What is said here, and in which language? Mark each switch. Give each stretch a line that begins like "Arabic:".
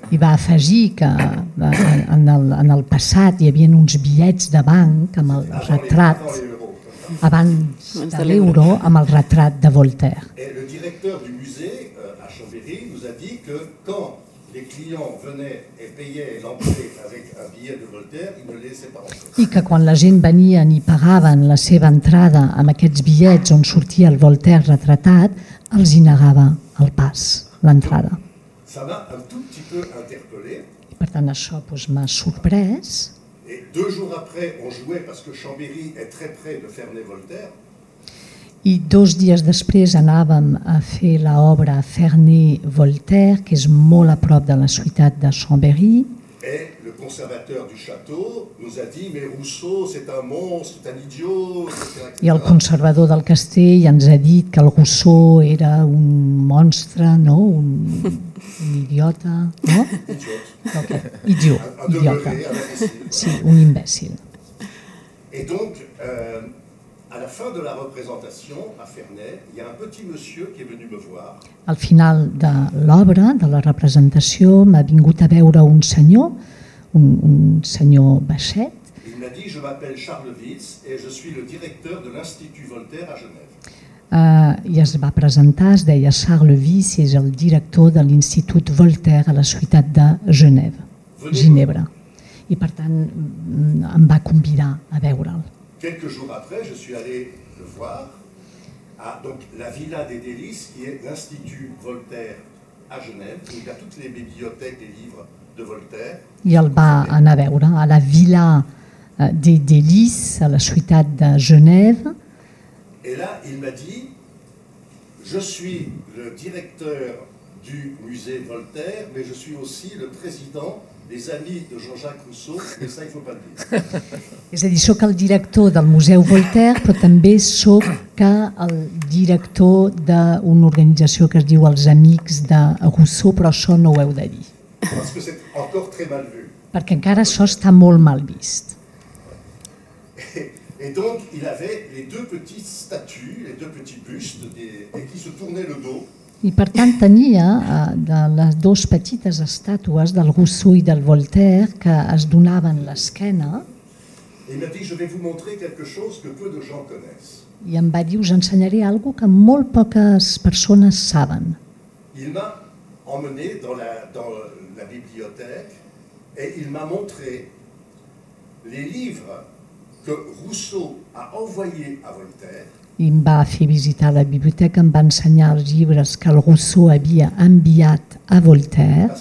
Catalan: I va afegir que en el passat hi havia uns bitllets de banc amb el retrat abans de l'euro amb el retrat de Voltaire.
French: Et le directeur du musée à Chambéry nous a dit que quand les clients venaient et payaient l'entrée avec un billet de Voltaire, ils ne le laissaient pas entrer.
Catalan: I que quan la gent venia i pagaven la seva entrada amb aquests bitllets on sortia el Voltaire retratat, els hi negava el pas, l'entrada.
French: Ça m'a un tout petit peu interpellé.
Catalan: I per tant això pues, m'ha sorprès.
French: Et deux jours après, on jouait parce que Chambéry est très près de Ferney-Voltaire.
Catalan: I dos dies després anàvem a fer l'obra Ferney-Voltaire, que és molt a prop de la ciutat de Chambéry.
French: Et le conservateur du château nous a dit, mais Rousseau, c'est un monstre, c'est un idiot. Etc.
Catalan: I el conservador del castell ens ha dit que el Rousseau era un monstre, no? Un idiota, no?
English: Okay.
French: Idiot.
Catalan: Idiota. Sí, un imbècil.
French: Et donc, à la fin de la représentation à Ferney, il y a un petit monsieur qui est venu me voir.
Catalan: Al final de l'obra, de la representació, m'ha vingut a veure un senyor, un senyor baixet.
French: Il m'a dit, je m'appelle Charles Witz et je suis le directeur de l'Institut Voltaire à Genève.
Catalan: I es va presentar, es deia Charles Witz, és el director de l'Institut Voltaire a la ciutat de Genève, Ginebra. I per tant em va convidar a veure'l.
French: Quelques jours après, je suis allé le voir à donc, la Villa des Délices, qui est l'Institut Voltaire à Genève, où il y a toutes les bibliothèques et livres de Voltaire.
Catalan: I el va anar a veure a la Villa des Délices, a la ciutat de Genève.
French: Et là, il m'a dit, je suis le directeur du musée Voltaire, mais je suis aussi le président des Amis de Jean-Jacques Rousseau, mais ça, il ne faut pas le dire.
Catalan: És a dir, sóc el director del Museu Voltaire, però també sóc el director d'una organització que es diu Els Amics de Rousseau, però això no ho heu de dir.
French: Parce que c'est encore très mal vu.
Catalan: Perquè encara això està molt mal vist.
French: Et donc, il avait les deux petites statues, les deux petits bustes, et qui se tournaient le dos.
Catalan: I per tant tenia de les dues petites estàtues del Rousseau i del Voltaire que es donaven l'esquena.
French: Et il m'a dit, je vais vous montrer quelque chose que peu de gens connaissent.
Catalan: I em va dir, us ensenyaré algo que molt poques persones saben.
French: Il m'a emmené dans la bibliothèque et il m'a montré les livres que Rousseau a envoyé à Voltaire.
Catalan: I em va fer visitar la biblioteca, em va ensenyar els llibres que el Rousseau havia enviat a Voltaire.